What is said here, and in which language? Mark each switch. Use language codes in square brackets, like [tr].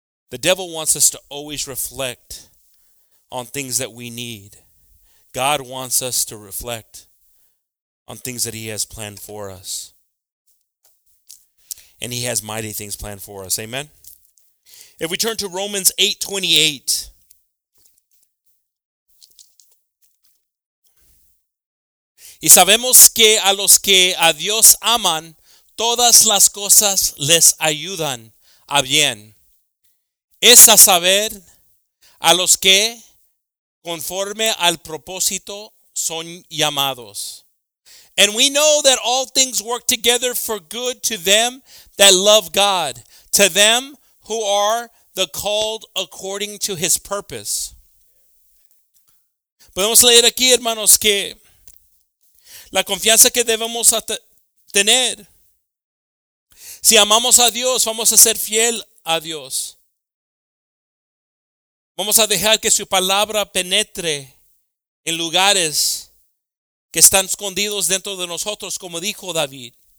[en] The devil wants us to always reflect on things that we need. God wants us to reflect on things that he has planned for us. And he has mighty things planned for us. Amen? If we turn to Romans 8:28, [es] y sabemos que a los que a Dios aman, todas las cosas les ayudan a bien. Es a saber, a los que conforme al propósito son llamados. [en] And we know that all things work together for good to them that love God, to them who are the called according to his purpose. [es] Podemos leer aquí, hermanos, que la confianza que debemos tener. Si amamos a Dios, vamos a ser fiel a Dios. Vamos a dejar que su palabra penetre en lugares que están escondidos dentro de nosotros, como dijo David.